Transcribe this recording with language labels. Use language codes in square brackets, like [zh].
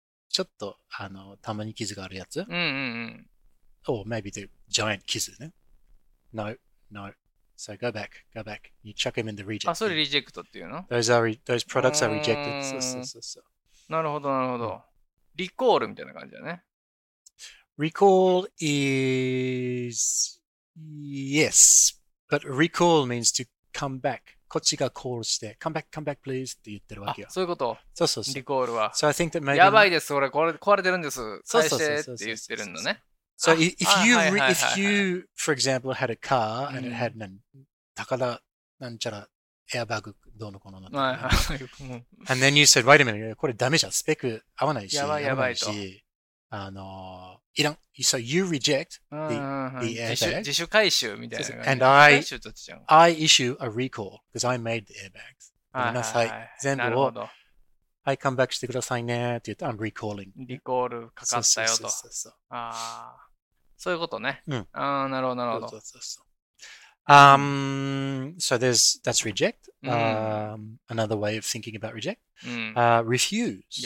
[ja] ちょっとたまに傷があるやつ、うんうんうん、 [en] or maybe the giant [ja] 傷ね。 [en] No, no. So go back. You chuck him in the reject. [ja] あ、それリジェクトっていうの？ [en] Those products are rejected. [ja] そうそうそうそう。なるほどなるほど。リコールみたいな感じだね。 [en] Recall is yes, but recall means to come back. [ja] こっちがコールして、 [en] come back please [ja] って言ってるわけよ。あ、そういうこと。そうそうそう。リコールは。 [en] So I think that maybe [ja] やばいです。これ壊れてるんです。返してって言ってるのね。 [en] So if you if you for example had a car and it had [ja] 高田なんちゃらエアバッグどうのこのなんて。 [en] And then you said wait a minute [ja] これダメじゃん。スペック合わないし。やばいやばいと。いらん。 [en] So you reject the airbag. [ja] 自主回収みたいな。 [en] And I issue a recall because I made the airbags. [ja] はいはいはい。全部を、はい、 [en] come back [ja] してくださいねって言って、 [en] I'm recalling. [ja] リコールかかったよと。そうそう。ああ。そういうことね。うん。ああ、なるほどなるほど。そう。 [en] So that's reject.、 [ja] うん、 [en] another way of thinking about reject.、 [ja] うん、 [en] refuse.